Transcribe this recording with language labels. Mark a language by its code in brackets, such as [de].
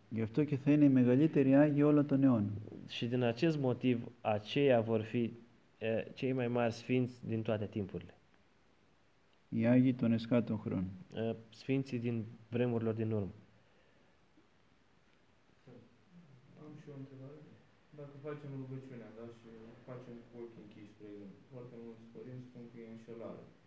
[el] Γι' αυτό και θα είναι οι μεγαλύτεροι άγιοι όλων των αιώνων. [ro] Și din acest motiv aceia vor fi cei mai mari sfinți din toate timpurile. [el] Οι άγιοι των εσκάτων χρόνων. [ro] Sfinții din vremurilor din urmă. Am și o întrebare. Dacă facem rugăciunea, da, și facem cu ochii închiși, spre exemplu, foarte mulți părinți spun că e înșelare.